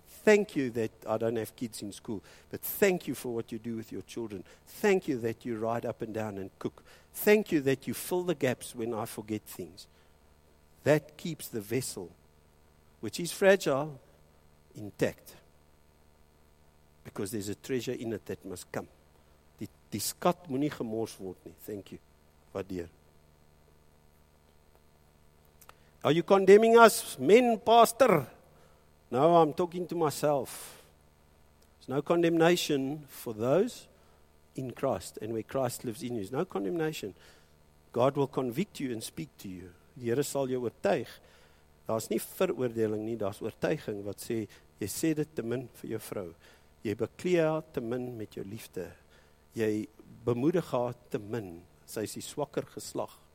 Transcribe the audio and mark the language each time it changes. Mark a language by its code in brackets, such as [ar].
[en] Thank you that I don't have kids in school. But thank you for what you do with your children. Thank you that you ride up and down and cook. Thank you that you fill the gaps when I forget things. That keeps the vessel, which is fragile, intact. Because there's a treasure in it that must come. [af] Die skat moet nie gemors word nie. [en] Thank you. [af] Waardeer. [en] Are you condemning us, men, pastor? No, I'm talking to myself. There's no condemnation for those in Christ and where Christ lives in you. There's no condemnation. God will convict you and speak to you. [af] Die Here sal jou oortuig. Daar's nie veroordeling nie, daar's oortuiging wat sê, jy sê dit te min vir jou vrou. Jy beklee haar te min met jou liefde. Jy bemoedig haar te min. Sy is die swakker geslag.